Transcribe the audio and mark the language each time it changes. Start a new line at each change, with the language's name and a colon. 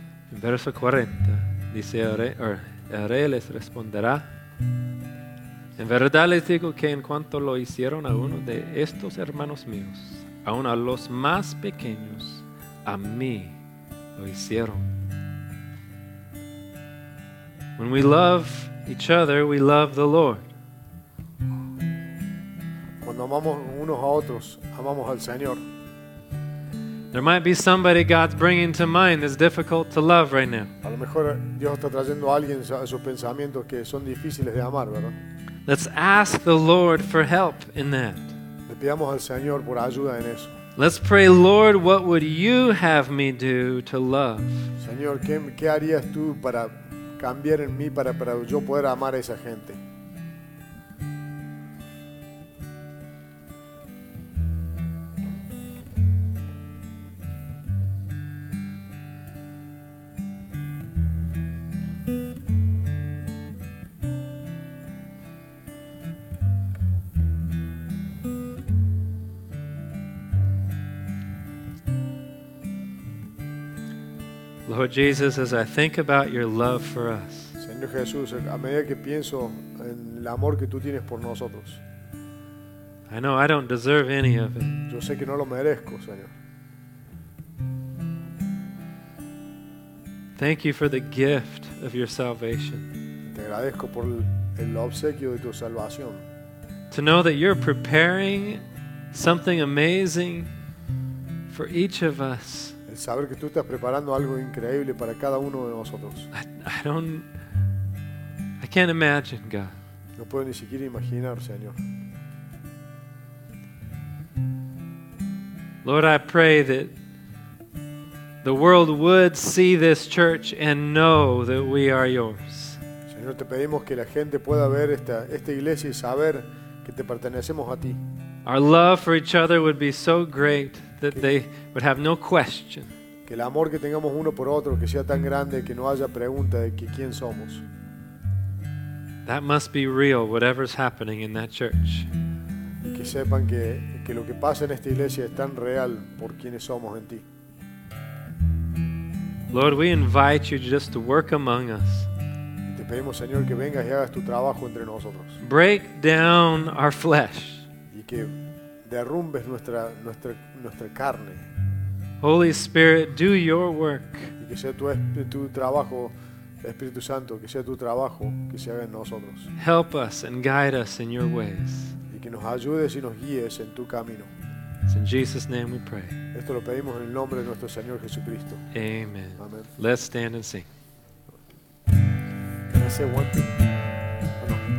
Spanish: verso 40 dice, el rey les responderá: en verdad les digo que en cuanto lo hicieron a uno de estos hermanos míos, aun a los más pequeños, a mí lo hicieron.
English: When we love each other, we love the Lord.
Spanish: Cuando amamos unos a otros, amamos al Señor.
English: There might be somebody God's bringing to mind that's difficult to love right now.
Spanish: A lo mejor Dios está trayendo a alguien a sus pensamientos que son difíciles de amar, ¿verdad?
English: Let's ask the Lord for help in that.
Spanish: Le pidamos al Señor por ayuda en eso.
English: Let's pray, Lord, what would you have me do to love?
Spanish: Señor, ¿qué harías tú para cambiar en mí para yo poder amar a esa gente?
English: Lord Jesus, as I think about your love for us,
Spanish: Señor Jesús, a medida que pienso en el amor que tú tienes por nosotros,
English: I know I don't deserve any of it.
Spanish: Yo sé que no lo merezco, Señor.
English: Thank you for the gift of your salvation.
Spanish: Te agradezco por el obsequio de tu salvación.
English: To know that you're preparing something amazing for each of us.
Spanish: Saber que tú estás preparando algo increíble para cada uno de nosotros.
English: I can't imagine, God.
Spanish: No puedo ni siquiera imaginar, Señor.
English: Lord, I pray that the world would see this church and know that we are yours.
Spanish: Señor, te pedimos que la gente pueda ver esta iglesia y saber que te pertenecemos a ti.
English: Our love for each other would be so great that they would have no question.
Spanish: Que el amor que tengamos uno por otro que sea tan grande que no haya pregunta de que quién somos.
English: That must be real, whatever's happening in that church.
Spanish: Y que sepan que lo que pasa en esta iglesia es tan real por quienes somos en ti.
English: Lord, we invite you just to work among us.
Spanish: Y te pedimos, Señor, que vengas y hagas tu trabajo entre nosotros.
English: Break down our flesh.
Spanish: Y que derrumbes nuestra carne.
English: Holy Spirit, do your work.
Spanish: Y que sea tu trabajo, Espíritu Santo, que sea tu trabajo, que se haga en nosotros.
English: Help us and guide us in your ways.
Spanish: Y que nos ayudes y nos guíes en tu camino.
English: It's in Jesus' name we pray.
Spanish: Esto lo pedimos en el nombre de nuestro Señor Jesucristo.
English: Amen. Amen. Let's stand and sing. Can I say one thing?